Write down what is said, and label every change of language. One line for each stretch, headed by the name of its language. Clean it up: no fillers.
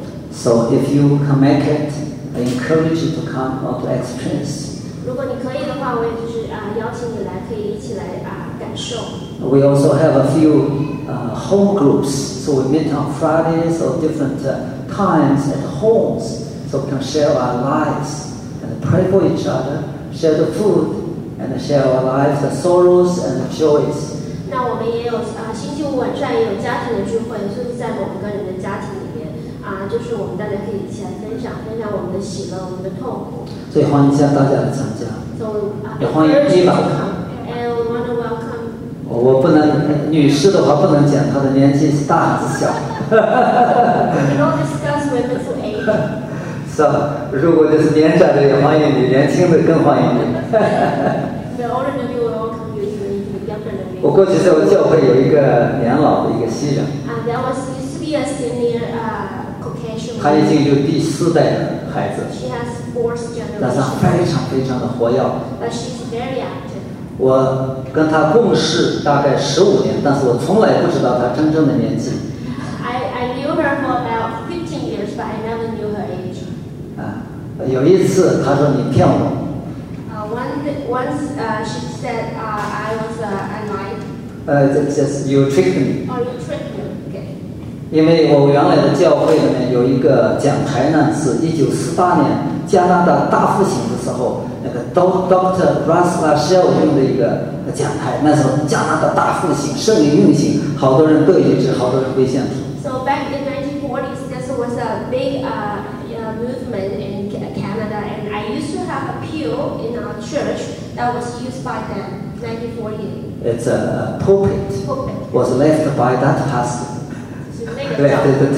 English: So if you can make it,I encourage you to come or to experience.
Chinese: 如果你可以的话，我也就是邀请你来，可以一起来感受。
English: We also have a few home groups, so we meet on Fridays or different times at homes, so we can share our lives and pray for each other, share the food and share our lives, the sorrows and the joys.
Chinese: 那我们也有星期五晚上也有家庭的聚会，就是在我们个人的家庭。就是我们大家可以一起来分享我们的喜乐，我们的痛苦。所以欢迎一下大家来参加。
English: So,
Chinese: 也欢迎
English: Eva。 And we want to welcome.
Chinese: 我不能女士的话不能讲她的年纪是大还是小。
English: We don't discuss women's age.
Chinese: So, 如果就是年长的也欢迎你，年轻的更欢迎你。
English: The older than you will welcome you, even if you're younger than me.
Chinese: 我过去在我教会有一个年老的一个新人。
English: That was used to be a senior.
Chinese: 他已经有第四代的孩子。
English: She has fourth generation.
Chinese: 但是非常非常的活跃。
English: But she's very active.
Chinese: 我跟他共事大概15年，但是我从来不知道他真正的年纪。
English: I knew her for about 15 years, but I never knew her age.
Chinese: 有一次他说你骗我。
English: Once she said I was a lie. That's just you tricked me. Oh, you tricked me.
Chinese: 因为我原来的教会里面有一个讲台呢，是1948年加拿大大复兴的时候，那个 Doctor Russell Shell 用的一个讲台。那时候加拿大大复兴，圣灵运行，好多人得医治，好多人归向主。
English: So back in 1940s, this was a big movement in Canada, and I used to have a pew in our church that was used by them 1940. It's a pulpit. Was left by that pastor. Left